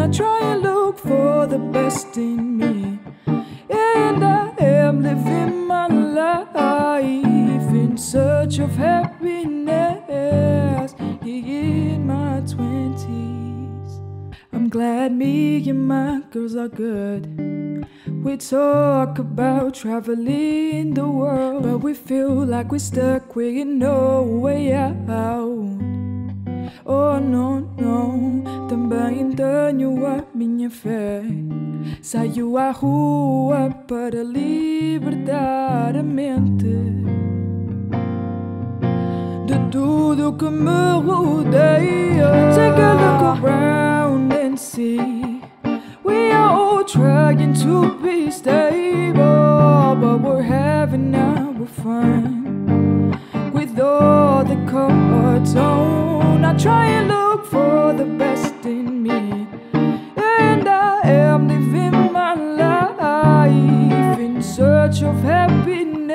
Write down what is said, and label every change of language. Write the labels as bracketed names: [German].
[English] I try and look for the best in me, and I am living my life in search of happiness in my 20s. I'm glad me and my girls are good. We talk about traveling the world, but we feel like we're stuck, we ain't no way out. Oh no, no, [Portuguese] também tenho a minha fé. Saio à rua para libertar a mente de tudo que me rodeia. [English] Take a look around and see we are all trying to be stable, but we're having our fun with all the cards on. I try and look for the best in me, and I am living my life in search of happiness.